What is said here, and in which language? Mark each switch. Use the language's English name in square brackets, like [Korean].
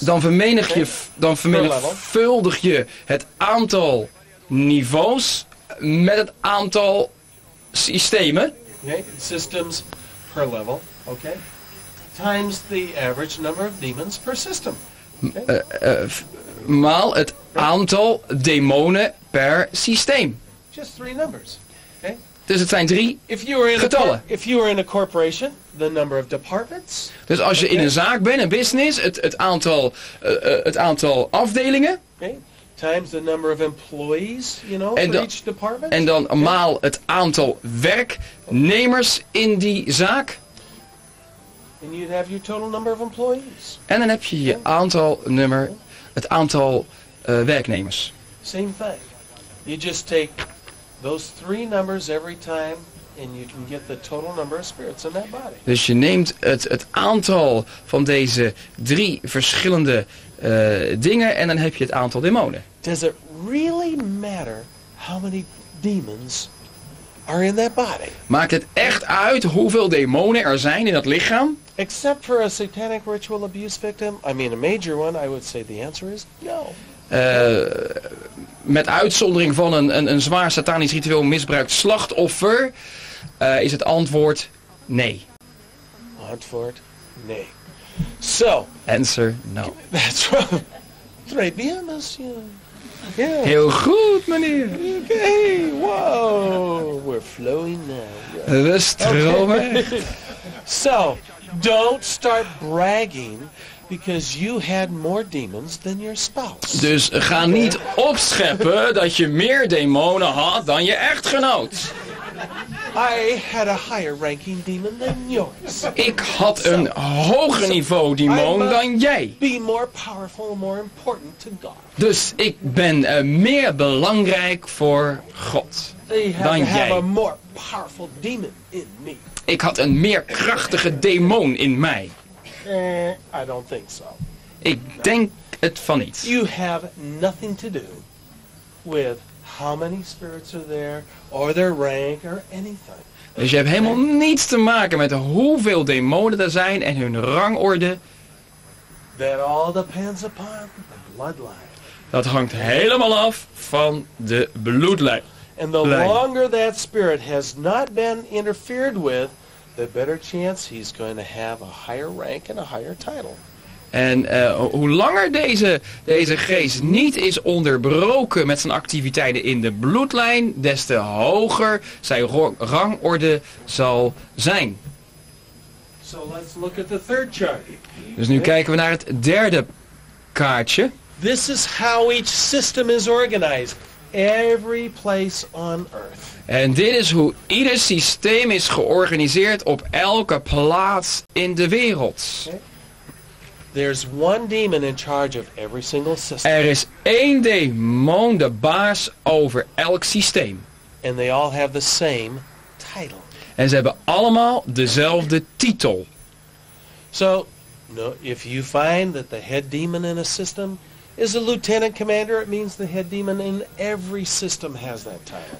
[Dutch] Dan vermenigvuldig je het aantal niveaus met het aantal systemen. [English] Okay. Systems per level, okay. Times the average number of demons per system. Okay. [Dutch] Maal het aantal demonen per systeem. [English] Just 3 numbers. Okay. [Dutch] Dus het zijn 3 [English] if you are in [Dutch] getallen. [English] If you are in a corporation, the number of departments. [Dutch] Dus als je in een zaak bent, een business, het aantal afdelingen. [English] Okay. Times the number of employees, you know, for each department. [Dutch] En dan maal het aantal werknemers in die zaak. [English] And you'd have your total number of employees. [Dutch] En dan heb je je aantal werknemers. [English] Same thing. You just take those 3 numbers every time and you can get the total number of spirits in that body. [Dutch] Dus je neemt het aantal van deze 3 verschillende dingen en dan heb je het aantal demonen. [English] Does it really matter how many demons are in that body? [Dutch] Maakt het echt uit hoeveel demonen er zijn in dat lichaam? [English] Except for a satanic ritual abuse victim, I mean a major one, I would say the answer is no. [Dutch] Met uitzondering van een zwaar satanisch ritueel misbruikt slachtoffer, is het antwoord nee. Antwoord nee. [English] So. Answer no. That's right. Right, be honest, yeah. Yeah. [Dutch] Heel goed, meneer. [English] Okay, wow. We're flowing now. [Dutch] Yeah. We stromen. Okay. [English] So, don't start bragging because you had more demons than your spouse. [Dutch] Dus ga niet opscheppen dat je meer demonen had dan je echtgenoot. [English] I had a higher ranking demon than yours. [Dutch] Ik had een hoger niveau demon dan jij. [English] Be more powerful and more important to God. [Dutch] Dus ik ben meer belangrijk voor God dan jij. [English] You have a more powerful demon in me. [Dutch] Ik had een meer krachtige demon in mij. [English] I don't think so. [Dutch] Ik denk het van niet. [English] You have nothing to do with how many spirits are there, or their rank, or anything. [Dutch] Dus je hebt helemaal niets te maken met hoeveel demonen er zijn en hun rangorde. [English] That all depends upon the bloodline. [Dutch] Dat hangt helemaal af van de bloedlijn. [English] And the longer that spirit has not been interfered with, the better chance he's going to have a higher rank and a higher title. [Dutch] En hoe langer deze geest niet is onderbroken met zijn activiteiten in de bloedlijn, des te hoger zijn rangorde zal zijn. [English] So let's look at the third chart. [Dutch] Dus nu kijken we naar het derde kaartje. [English] This is how each system is organized. Every place on earth. [Dutch] En dit is hoe ieder systeem is georganiseerd op elke plaats in de wereld. [English] Okay. There's one demon in charge of every single system. [Dutch] Er is één demon de baas over elk systeem. [English] And they all have the same title. [Dutch] En ze hebben allemaal dezelfde titel. [English] So, no, if you find that the head demon in a system is a lieutenant commander, it means the head demon in every system has that title.